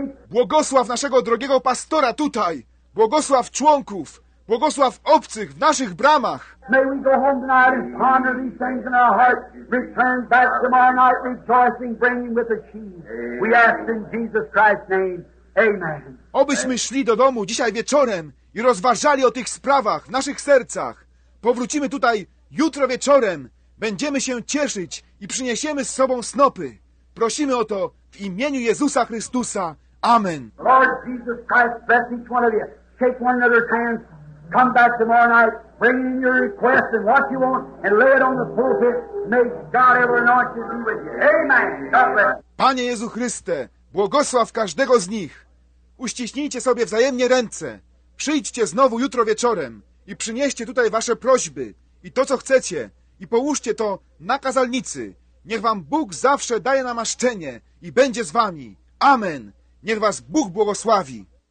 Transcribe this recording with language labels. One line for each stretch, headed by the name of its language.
Polish: Błogosław naszego drogiego pastora tutaj. Błogosław członków. Błogosław obcych w naszych bramach.
English: May we go home tonight and ponder these things in our heart. Return back tomorrow night rejoicing, bringing with us sheaves. We ask in Jesus Christ's name. Amen.
Polish: Obyśmy szli do domu dzisiaj wieczorem i rozważali o tych sprawach w naszych sercach. Powrócimy tutaj jutro wieczorem. Będziemy się cieszyć i przyniesiemy z sobą snopy. Prosimy o to w imieniu Jezusa Chrystusa. Amen.
English: Lord Jesus Christ, bless each one of you. Take one another's hand. Come back tomorrow night. Bring in your request and what you want and lay it on the pulpit. May God ever anoint you to be with you. Amen. God bless.
Polish: Panie Jezu Chryste, błogosław każdego z nich. Uściśnijcie sobie wzajemnie ręce. Przyjdźcie znowu jutro wieczorem i przynieście tutaj wasze prośby i to, co chcecie, i połóżcie to na kazalnicy. Niech wam Bóg zawsze daje namaszczenie i będzie z wami. Amen. Niech was Bóg błogosławi.